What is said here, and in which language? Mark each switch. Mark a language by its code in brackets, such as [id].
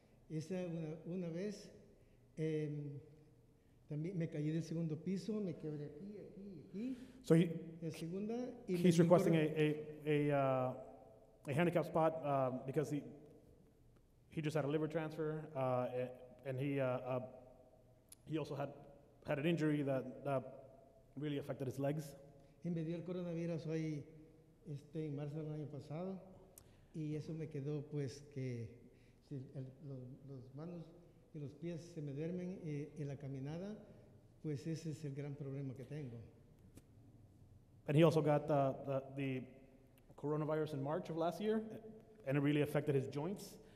[es] Esa una vez también me caí del segundo piso, me quebré aquí, aquí, aquí. [en] So he, [es] en segunda, y [en] he's requesting a handicap spot because he just had a liver transfer and he also had an injury that really affected his legs. [es] Y me dio el coronavirus ahí en marzo del año pasado y eso me quedó pues que si el, los manos y los pies se me duermen en la caminada, pues ese es el gran problema que tengo. [en] And he also got the coronavirus in March of last year, and it really affected his joints.